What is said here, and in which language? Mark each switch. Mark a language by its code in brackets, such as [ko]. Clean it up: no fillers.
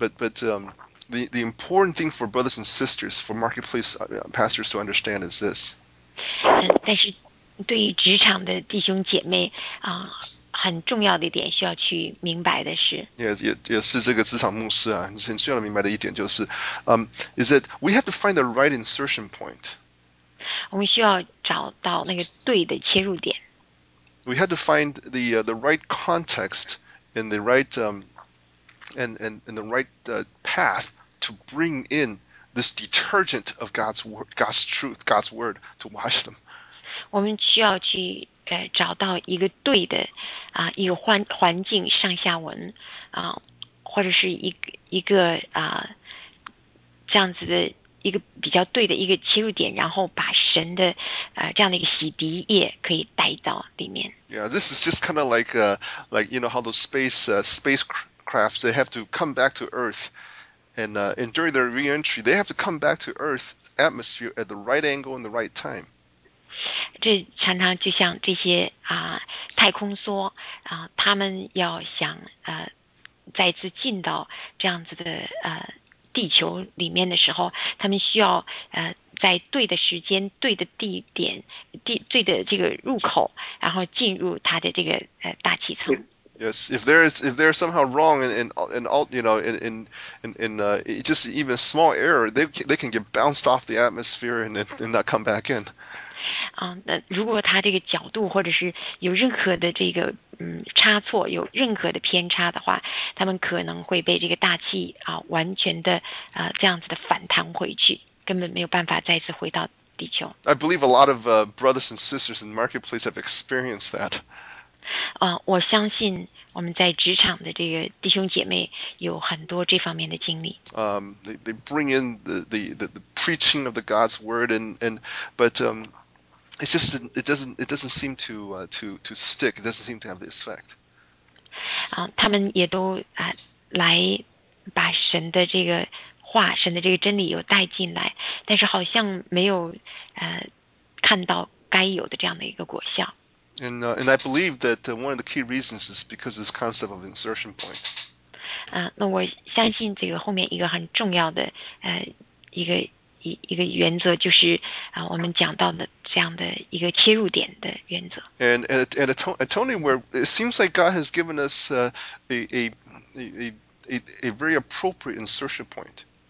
[en] The important thing for brothers and sisters, for marketplace pastors to understand is this. [zh] 但是对于职场的弟兄姐妹很重要的一点需要去明白的是。也是这个职场牧师啊，很需要明白的一点就是， [en] is that we have to find the right insertion point. [zh] 我们需要找到那个对的切入点。 [en] We have to find the right context and the right and the right path to bring in this detergent of God's word, God's truth, God's word to wash them. [zh] 我们需要去找到一个对的一个环境上下文或者是一个这样子的一个比较对的一个切入点，然后把神的这样的一个洗涤液可以带到里面。 [en] Yeah, this is just kind of like you know how those spacecraft they have to come back to Earth, and during their re-entry they have to come back to Earth's atmosphere at the right angle and the right time. [zh] 这常常就像这些太空梭他们要想再次进到这样子的地球里面的时候，他们需要在对的时间、对的地点、对的这个入口，然后进入它的这个大气层。 [en] Yes, if they're somehow wrong and all, you know, in just even small error, they can get bounced off the atmosphere and not come back in. [zh] 那如果它这个角度或者是有任何的这个差错，有任何的偏差的话，他们可能会被这个大气完全的这样子的反弹回去，根本没有办法再次回到地球。 [en] I believe a lot of brothers and sisters in the marketplace have experienced that. [zh] 我相信我们在职场的这个弟兄姐妹有很多这方面的经历。 [en] They bring in the preaching of the God's word and It's just it doesn't seem to stick. It doesn't seem to have this effect. [zh] 他们也都来把神的这个话、神的这个真理有带进来，但是好像没有看到该有的这样的一个果效。 [en] And I believe that one of the key reasons is because of this concept of insertion point. [zh] 那我相信这个后面一个很重要的一个原则就是我们讲到的这样的一个切入点的原则。 [en] And a Tony, where it seems like God has given us a very appropriate insertion point.